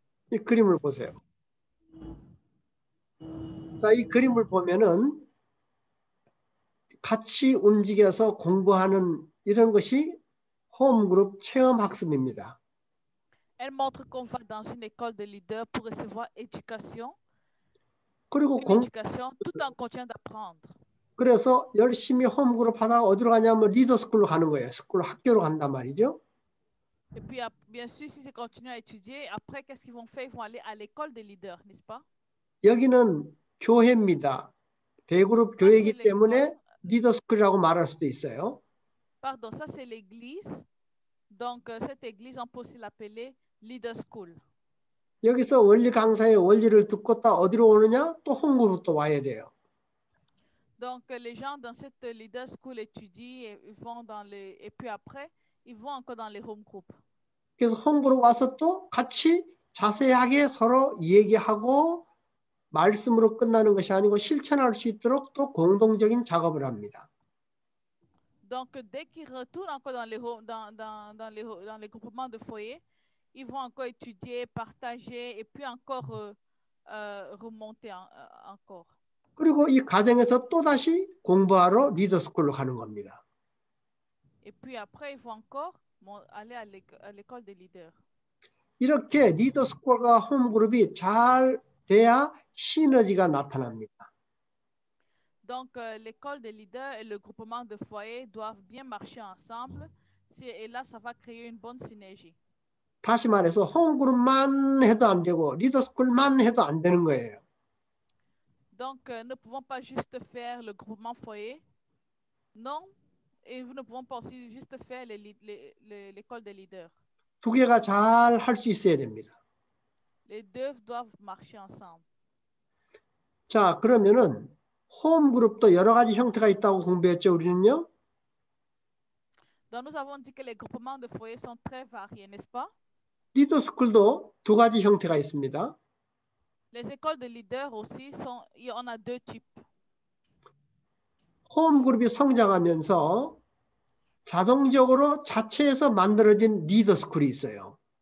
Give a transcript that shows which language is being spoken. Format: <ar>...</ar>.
<ko>이 그림을 보세요. 자, 이 그림을 보면은 같이 움직여서 공부하는 이런 것이 홈그룹 체험 학습입니다.</ko> <fr>Elle montre qu'on va dans une école de leaders pour recevoir éducation.</fr> <ko>그리고 공부하는</ko> <fr>tout en continuant d'apprendre.</fr> <ko>그래서 열심히 홈그룹 하다가 어디로 가냐면 리더 스쿨로 가는 거예요. 스쿨 학교로 간단 말이죠.</ko> <fr>Et puis, bien sûr, si c'est continuer à étudier, après, qu'est-ce qu'ils vont faire? Ils vont aller à l'école des leaders, n'est-ce pas?</fr> <ko>여기는 교회입니다. 대그룹 교회이기 때문에 리더 스쿨이라고 말할 수도 있어요.</ko> <fr>Pardon, ça c'est l'église. Donc, cette église, on peut aussi l'appeler leader school.</fr> <ko>여기서 원리 강사의 원리를 듣고 다 어디로 오느냐? 또 홈그룹 또 와야 돼요.</ko> <fr>Donc, les gens dans cette leader school étudient et vont dans les... Et puis après... Ils vont encore dans les home group.</fr> <ko>그래서 홈그룹 와서 또 같이 자세하게 서로 얘기하고 말씀으로 끝나는 것이 아니고 실천할 수 있도록 또 공동적인 작업을 합니다.</ko> <fr>Donc dès qu'ils retournent encore dans les home dans les groupements de foyer, ils vont encore étudier, partager et puis encore remonter encore.</fr> <ko>그리고 이 과정에서 또 다시 공부하러 리더 스쿨로 가는 겁니다.</ko> <fr>Et puis après, il faut encore aller à l'école des leaders.</fr> <ko>이렇게 리더 스쿨과 홈 그룹이 잘 돼야 시너지가 나타납니다.</ko> <fr>Donc l'école des leaders et le groupement de foyer doivent bien marcher ensemble. Et là, ça va créer une bonne synergie.</fr> <ko>다시 말해서 홈 그룹만 해도 안 되고 리더 스쿨만 해도 안 되는 거예요.</ko> <fr>Donc ne pouvons pas juste faire le groupement foyer, non? Et nous ne pouvons pas aussi juste faire l'école des leaders.</fr> <ko>두 개가 잘 할 수 있어야 됩니다.</ko> <fr>Les deux doivent marcher ensemble.</fr> <ko>자, 그러면은 홈 그룹도 여러 가지 형태가 있다고 공부했죠, 우리는요?</ko> <fr>Donc nous avons dit que les groupements de foyer sont très variés, n'est-ce pas?</fr> <ko>리더 스쿨도 두 가지 형태가 있습니다.</ko> <fr>Les écoles de leaders aussi sont il y en a deux types.</fr> <ko>홈 그룹이 성장하면서 자동적으로 자체에서 만들어진 리더 스쿨이 있어요.</ko>